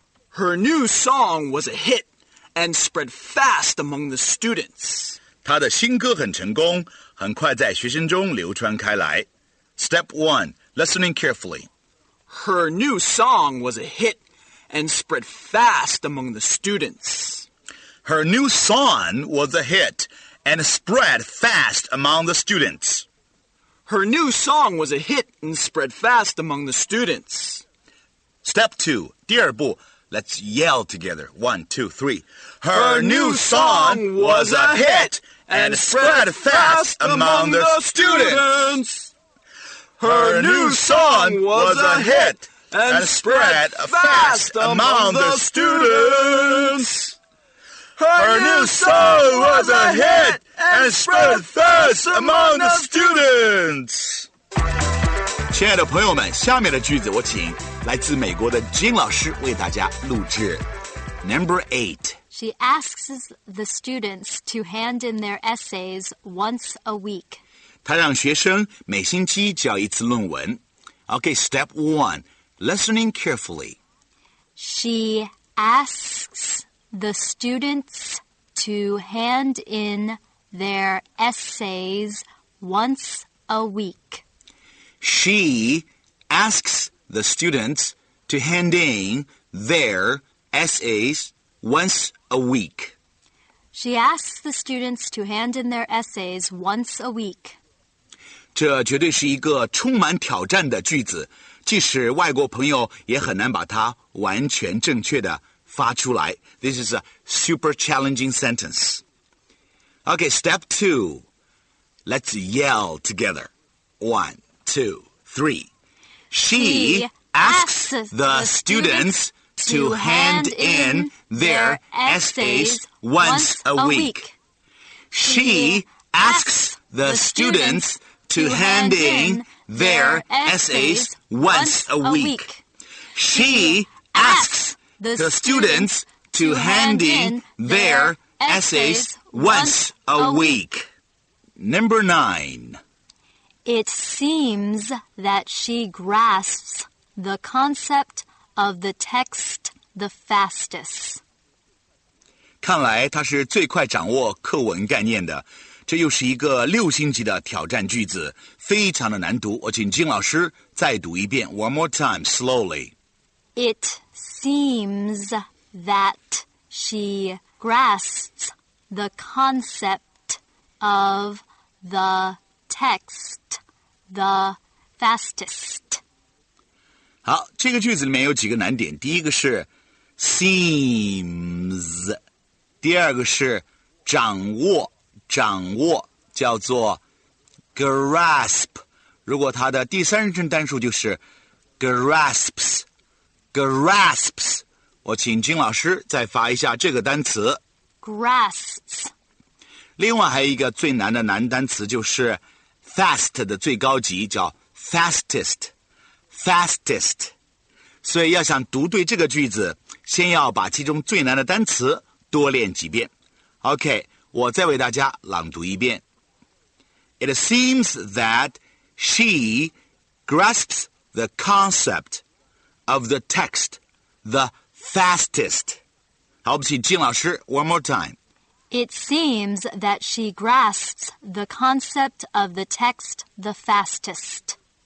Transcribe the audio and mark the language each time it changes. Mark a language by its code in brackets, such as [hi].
[en] Her new song was a hit and spread fast among the students. [zh] 她的新歌很成功，很快在学生中流传开来。 [en] Step 1. Listening carefully. Her new song was a hit and spread fast among the students. Her new song was a hit and spread fast among the students. Her new song was a hit and spread fast among the students. Step 2. [zh] 第二步, [en] let's yell together. 1, 2, 3. Her new song was a hit and spread fast among the students. Her new song was a hit and spread fast among the students. Her new song was a hit and spread fast among the students. [zh] 亲爱的朋友们，下面的句子我请来自美国的金老师为大家录制。 [en] Number 8. She asks the students to hand in their essays once a week. [zh] 他让学生每星期交一次论文。 [en] Okay, step 1. Listening carefully. She asks the students to hand in their essays once a week. She asks the students to hand in their essays once a week. She asks the students to hand in their essays once a week. [zh] 这绝对是一个充满挑战的句子，即使外国朋友也很难把它完全正确的发出来。 [en] This is a super challenging sentence. Okay, step 2. Let's yell together. 1, 2, 3. She asks the students to hand in their essays once a week. She asks the students... to hand in their essays once a week. She asks the students to hand in their essays Once a week. Number 9. It seems that she grasps the concept of the text the fastest. [zh] 看来她是最快掌握课文概念的。这又是一个六星级的挑战句子，非常的难读。我请金老师再读一遍 ， [en] one more time slowly. It seems that she grasps the concept of the text the fastest. [zh] 好，这个句子里面有几个难点。第一个是 seems， 第二个是掌握。掌握叫做 grasp， 如果它的第三人称单数就是 grasps。我请金老师再发一下这个单词 [en] grasps。 [zh] 另外还有一个最难的难单词就是 fast 的最高级叫 fastest。所以要想读对这个句子，先要把其中最难的单词多练几遍。 OK。 我再为大家朗读一遍。 [en] It seems that she grasps the concept of the text the fastest. [zh] 好，我们请金老师 [en] one more time. It seems that she grasps the concept of the text the fastest.